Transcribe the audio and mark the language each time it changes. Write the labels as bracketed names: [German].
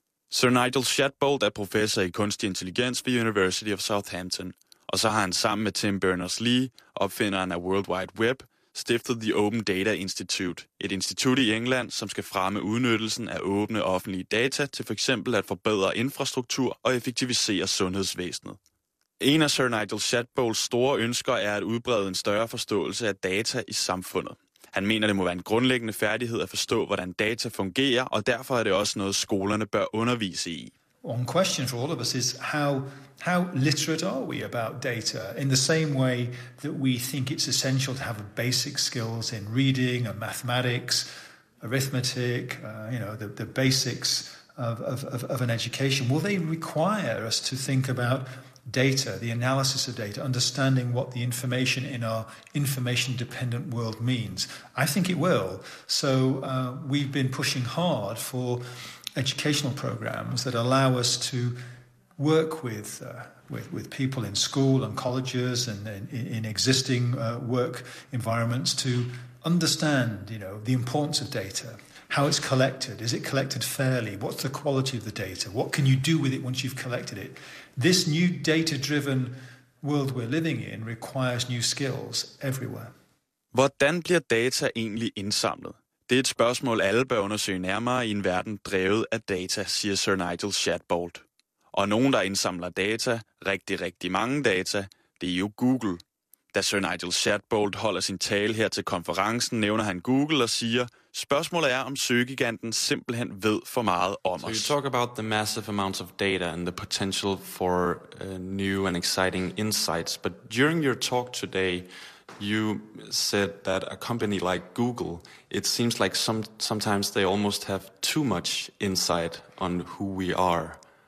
[Danish] Sir Nigel Chadbolt er professor i kunstig intelligens ved University of Southampton, og så har han sammen med Tim Berners-Lee, opfinderen af World Wide Web, stiftet The Open Data Institute, et institut i England, som skal fremme udnyttelsen af åbne offentlige data til f.eks. at forbedre infrastruktur og effektivisere sundhedsvæsenet. En af Sir Nigel Shadbolts store ønsker er at udbrede en større forståelse af data i samfundet. Han mener, det må være en grundlæggende færdighed at forstå, hvordan data fungerer, og derfor er det også noget, skolerne bør undervise i. [English] One question for all of us is how literate are we about data? In the same way that we think it's essential to have basic skills in reading and mathematics, arithmetic, the basics of an education, will they require us to think about data, the analysis of data, understanding what the information in our information-dependent world means? I think it will. So we've been pushing hard for educational programs that allow us to work with people in school and colleges and in existing work environments to understand, the importance of data. How it's collected, is it collected fairly? What's the quality of the data? What can you do with it once you've collected it? This new data-driven world we're living in requires new skills everywhere. [Danish] Hvordan bliver data egentlig indsamlet? Det er et spørgsmål, alle bør undersøge nærmere i en verden drevet af data, siger Sir Nigel Shadbolt. Og nogen, der indsamler data, rigtig, rigtig mange data, det er jo Google. Da Sir Nigel Shadbolt holder sin tale her til konferencen, nævner han Google og siger, spørgsmålet er, om søgiganten simpelthen ved for meget om os. [English] So you talk about the massive amounts of data and the potential for new and exciting insights, but during your talk today, you said that a company like Google, it seems like sometimes they almost have too much insight on who we are.